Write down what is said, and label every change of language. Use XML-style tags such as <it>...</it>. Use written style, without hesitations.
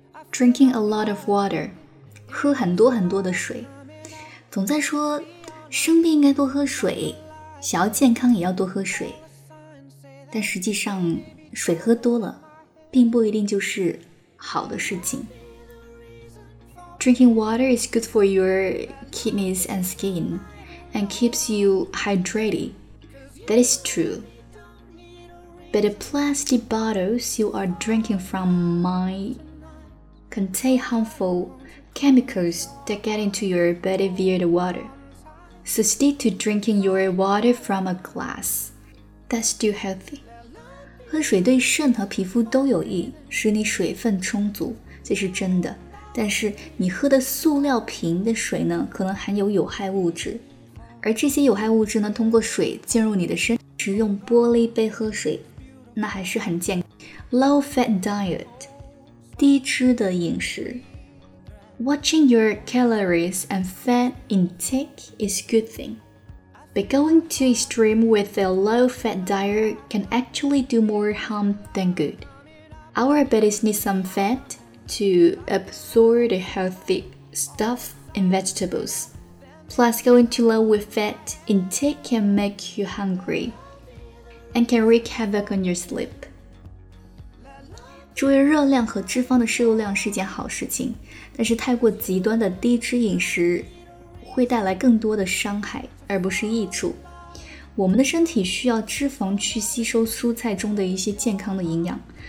<en>Drinking a lot of water，</en> <zh>喝很多很多的水。总在说生病应该多喝水，想要健康也要多喝水，但实际上水喝多了并不一定就是好的事情。</zh> <en>Drinking water is good for your kidneys and skin and keeps you hydrated. That is true. But the plastic bottles you are drinking from might contain harmful chemicals that get into your body via the water. So stick to drinking your water from a glass. That's still healthy.</en> <zh>喝水对肾和皮肤都有益，使你水分充足，这是真的。但是你喝的塑料瓶的水呢，可能含有有害物质，而这些有害物质呢，通过水进入你的身体。只用玻璃杯喝水，那还是很健康。</zh> <en>Low fat diet，</en> <zh>低脂的饮食。</zh> <en>Watching your calories and fat intake is a good thing. But going too extreme with a low-fat diet can actually do more harm than good. Our bodies need some fat to absorb the healthy stuff in vegetables. Plus, going too low with fat intake can make you hungry and can wreak havoc on your sleep.</en> <zh>注意热量和脂肪的摄入量是件好事情，但是太过极端的低脂饮食会带来更多的伤害而不是益处。我们的身体需要脂肪去吸收蔬菜中的一些健康的营养。</zh>